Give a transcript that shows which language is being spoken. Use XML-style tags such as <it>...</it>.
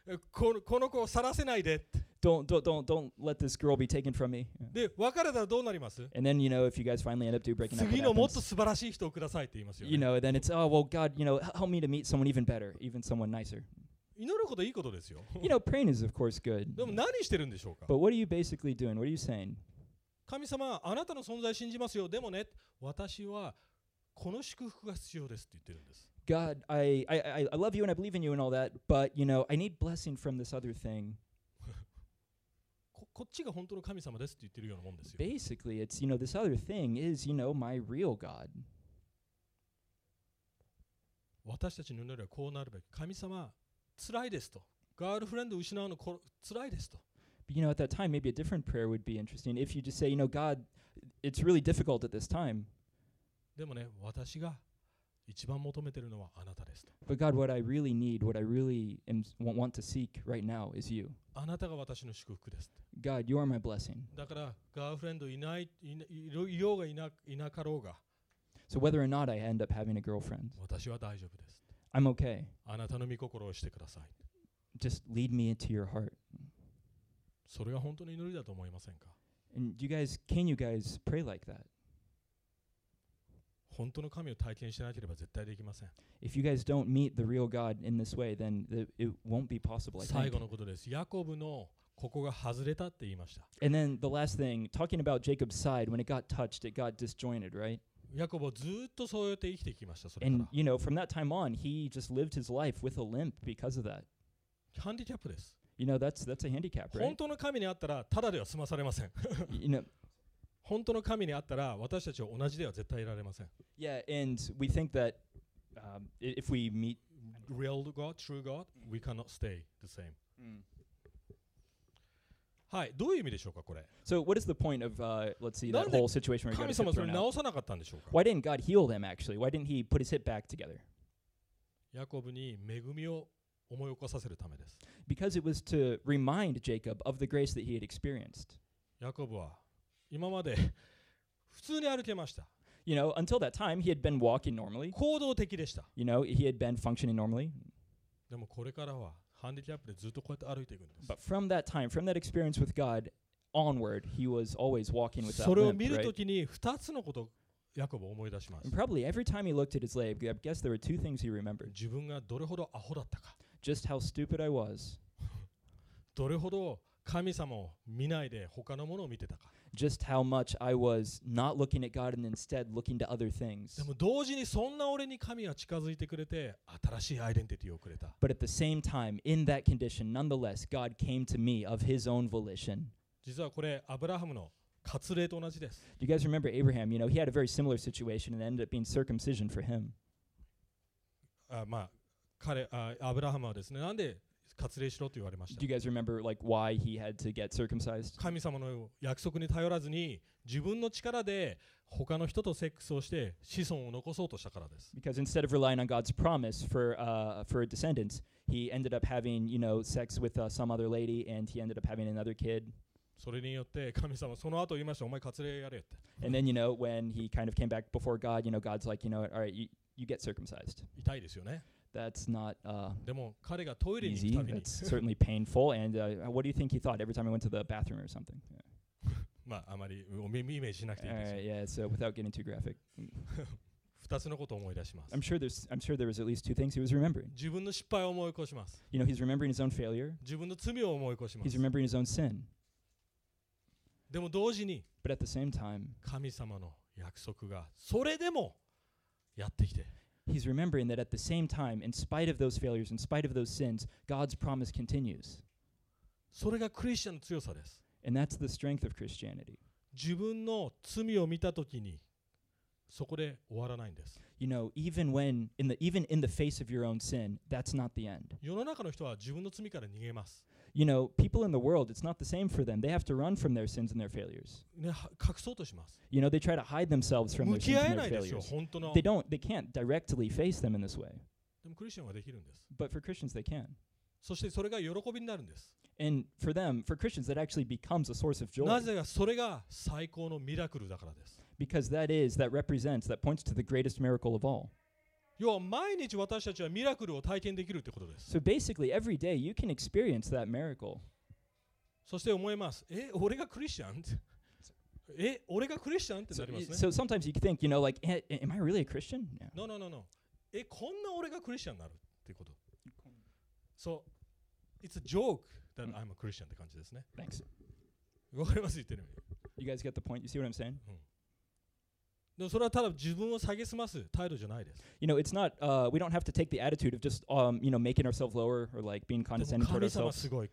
<ja>この子を去らせないで。</ja> <en>Don't let this girl be taken from me.</en> <ja>で、別れたらどうなります?</ja> <en>And then, you know, if you guys finally end up doing breaking up,</en> <ja>次のもっと素晴らしい人をくださいって言いますよね。</ja> <en>You know, then it's, oh, well, God, you know, help me to meet someone even better, even someone nicer.</en> <ja>祈ることはいいことですよ。</ja> <en>You know, praying is, of course, good.</en> <ja>でも何してるんでしょうか?</ja> <en>But what are you basically doing? What are you saying?</en> <ja>神様、あなたの存在信じますよ。でもね、私はこの祝福が必要ですって言ってるんです。</ja> <en>God, I love you and I believe in you and all that, but you know, I need blessing from this other thing.</en> <ja>こっちが本当の神様ですって言ってるようなもんですよ。</ja> <en>Basically, it's, you know, this other thing is, you know, my real God.</en> <ja>私たちの祈りはこうなるべき。神様、つらいですと。ガールフレンド失うのつらいですと。</ja> <en>But, you know, at that time, maybe a different prayer would be interesting. If you just say, you know, God, it's really difficult at this time.</en> <ja>でもね、私が一番求めてるのはあなたですと。</ja> <en>But God, what I really need, what I really want to seek right now is you.</en> <ja>あなたが私の祝福です。</ja> <en>God, you are my blessing.</en> <ja>だから、ガールフレンドいない、いようがいなかろうが。</ja> <en>So whether or not I end up having a girlfriend.</en> <ja>私は大丈夫です。</ja> <en>I'm okay.</en> <ja>あなたの御心をしてください。</ja> <en>Just lead me into your heart.</en> <ja>それが本当の祈りだと思いませんか?</ja> <en>And you guys, can you guys pray like that?</en> <ja>本当の神を体験しなければ絶対できません。</ja> <en>If you guys don't meet the real God in this way, then it won't be possible, I think.</en> <ja>最後のことです。ヤコブのここが外れたって言いました。</ja> <en>And then the last thing, talking about Jacob's side, when it got touched, it got disjointed, right?</en> <ja>ヤコブはずっとそうやって生きてきました、それから。</ja> <en>And you know, from that time on, he just lived his life with a limp because of that.</en> <ja>ハンディキャップです。</ja> <en>You know, that's a handicap, right?</en> <ja>本当の神にあったらただでは済まされません。</ja> <en>You know,</en> <ja>本当の神にあったら私たちは同じでは絶対いられません。</ja> <en>Yeah, and we think that if we meet real God, true God, we cannot stay the same.、 Mm.</en> <ja>はい、どういう意味でしょうかこれ。</ja> <en>So what is the point of, let's see, that whole situation where God is thrown out?</en> <ja>神様はそれを直さなかったんでしょうか。</ja> <en>Why didn't God heal them, actually? Why didn't he put his hip back together?</en> <ja>ヤコブに恵みを思い起こさせるためです。</ja> <en>Because it was to remind Jacob of the grace that he had experienced.</en> <ja>ヤコブは今まで普通に歩けました。</ja> <en>You know, until that time, he had been walking normally.</en> <ja>行動的でした。</ja> <en>You know, he had been functioning normally.</en> <ja>でもこれからはハンディキャップでずっとこうやって歩いていくんです。</ja> <en>But from that time, from that experience with God onward, he was always walking with that</en> <ja>それを見るときに二つのこと。ヤコブを思い出します。</ja> <en>And probably every time he looked at his leg, I guess there were two things he remembered.</en> <ja>自分がどれほどアホだったか。</ja> <en>Just how stupid I was.</en> <ja>どれほど神様を見ないで他のものを見てたか。</ja> <en>Just how much I was not looking at God and instead looking to other things.</en> <ja>でも同時にそんな俺に神は近づいてくれて新しいアイデンティティをくれた。</ja> <en>But at the same time, in that condition, nonetheless, God came to me of his own volition.</en> <ja>実はこれアブラハムの割礼と同じです。</ja> <en>You guys remember Abraham? You know, he had a very similar situation and ended up being circumcision for him.</en> <ja>まあ、彼、アブラハムはですね、なんで割礼しろと言われました。</ja> <en>Do you guys remember like why he had to get circumcised?</en> <ja>神様の約束に頼らずに自分の力で他の人とセックスをして子孫を残そうとしたからです。</ja> <en>Because instead of relying on God's promise for descendants, he ended up having, you know, sex with some other lady and he ended up having another kid.</en> <ja>それによって神様その後言いましたお前割礼やれって。</ja> <en>And then you know when he kind of came back before God, you know God's like, you know, all right, you get circumcised.</en> <ja>痛いですよね。</ja> <en>That's not.</en> <ja>でも彼がトイレに行くたびに。</ja> <en>It's certainly painful. And what do you think he thought every time he went to the bathroom or something?</en> <ja>まああまりおみみイメージしなくていいです。</ja> <en>Alright, yeah. So without getting too graphic.</en> <ja>二つのことを思い出します。</ja> <en>I'm sure there was at least two things he was remembering.</en> <ja>自分の失敗を思い起こします。</ja> <en>You know, he's remembering his own failure.</en> <ja>自分の罪を思い起こします。</ja> <en>He's remembering his own sin.</en> <ja>でも同時に、</ja> <en>But at the same time,</en> <ja>神様の約束がそれでもやってきて、</ja> <en>He's remembering that at the same time, in spite of those failures, in spite of those sins, God's promise continues.</en> <ja>それがクリスチャンの強さです。</ja> <en>And that's the strength of Christianity.</en> <ja>自分の罪を見たときに、そこで終わらないんです。</ja> <en>You know, even in the face of your own sin, that's not the end.</en> <ja>世の中の人は自分の罪から逃げます。</ja> <en>You know, people in the world, it's not the same for them. They have to run from their sins and their failures.</en> <ja>隠そうとします。</ja> <en>You know, they try to hide themselves from their sins and their failures.</en> <ja>向き合えないですよ、本当の。</ja> <en>They can't directly face them in this way.</en> <ja>でもクリスチャンはできるんです。</ja> <en>But for Christians, they can.</en> <ja>そしてそれが喜びになるんです。</ja> <en>And for them, for Christians, that actually becomes a source of joy.</en> <ja>なぜかそれが最高のミラクルだからです。</ja> <en>Because that represents, that points to the greatest miracle of all.</en> <ja>要は毎日私たちはミラクルを体験できるってことです。</ja> <en>So basically, every day you can experience that miracle.</en> <ja>そして思います。え、俺がクリスチャン？え、俺がクリスチャンってなりますね。</ja> <en>So sometimes you think, you know, like, am I really a Christian? No, no, no, no.</en> <ja>え、こんな俺がクリスチャンになるってこと。</ja> <en>So it's a joke that I'm a Christian</en> <ja>って感じですね。</ja> <en>Thanks.</en> <ja>わかります言ってる意味。</ja> <en>You guys get the point? You see what I'm saying? You know, it's not, we don't have to take the attitude of just, you know, making ourselves lower or like being condescending toward ourselves.</en>